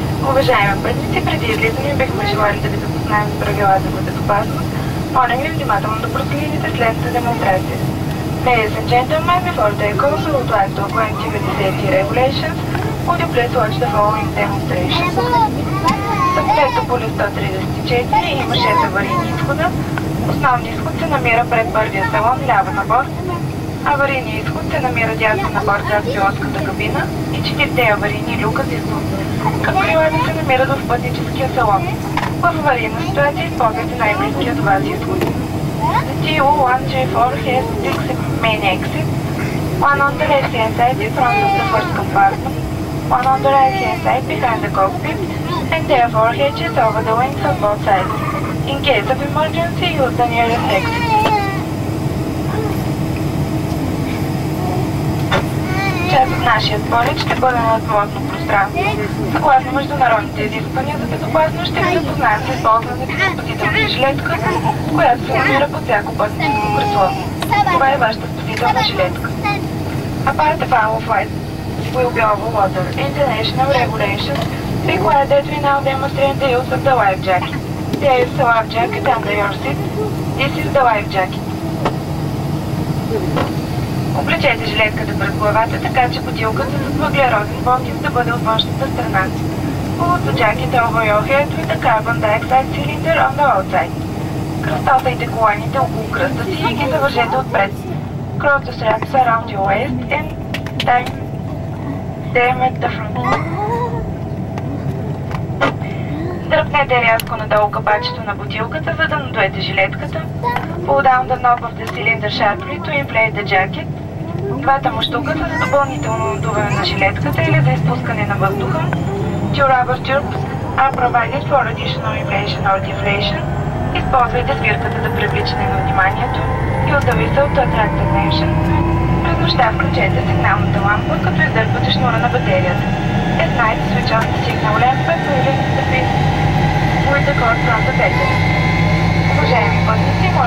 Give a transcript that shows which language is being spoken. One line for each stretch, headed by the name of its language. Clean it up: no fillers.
Bulgarian: Уважаеми пътници, преди излизане бихме желали да ви запознаем с правилата за безопасност. Моля ви внимателно да проследите следната демонстрация.
English: Ladies and gentlemen, before the call, we would like to acquaint you with safety regulations. Would you please watch the following demonstrations?
Bulgarian: Съпред Тополев 134 има 6 аварийни изхода. Основни изход се намира пред първия салон ляво на борт. Аварийният изход се намира дясно на борт зад пилотската кабина и 4 аварийни люка с изход. Към крилата се намират в пътническия салон. В аварийна ситуация използвайте най-близкия до вас изход.
English: TU-134 has 6 main exits. One on the left-hand side in front of the first compartment. One on the right-hand side behind the cockpit, and there are four hatches over the wings on both sides. In case of emergency, use the nearest exit.
Bulgarian: Част от нашия полет ще бъде на надводно пространство. Съгласно международните изисквания за безопасност, ще ви запознаем с използването на спасителна жилетка, която се намира под всяко пътническо кресло. Това е вашата спасителна жилетка.
English: Apart from our flight, will be over water. International regulations require that we now demonstrate the use of the life jacket. There is a life jacket under your seat. This is the life jacket.
Bulgarian: Облечете жилетката пред главата, така че бутилката с въглероден бомбив да бъде от външната страна.
English: Pull the jacket over your head with a carbon dioxide cylinder on the outside.
Bulgarian: Кръстосайте коланите около кръста си и ги завържете отпред.
English: Cross the straps around your waist and tie them at the front.
Bulgarian: Дръпнете рязко надолу капачето на бутилката, за да надуете жилетката.
English: Pull down the knob of the cylinder sharply to inflate the jacket.
Bulgarian: Двата муштуката за допълнително надуване на жилетката или за изпускане на въздуха.
English: Two rubber tubes are provided for additional inflation or deflation.
Bulgarian: Използвайте свирката за привличане на вниманието.
English: Use the whistle to attract attention.
Bulgarian: През нощта включете сигналната лампа, като издърпвате шнура на батерията.
English: At night, switch on the signal lamp and put it in the fit with the cord from the battery.
Bulgarian: Уважаеми пътници,